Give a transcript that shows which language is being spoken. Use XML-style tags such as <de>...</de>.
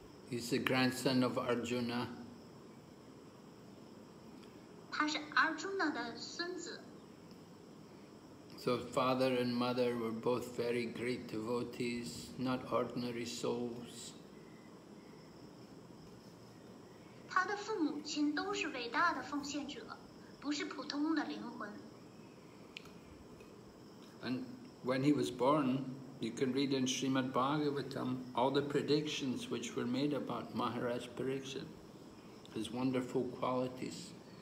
<en>He's the grandson of Arjuna.</en> <zh>他是 Arjuna 的孙子。</zh> <en>So father and mother were both very great devotees, not ordinary souls.</en> <zh>他的父母亲都是伟大的奉献者，不是普通的灵魂。</zh> <en>And when he was born,You can read in Srimad Bhagavatam all the predictions which were made about Maharaj Parikshit, his wonderful qualities.</en>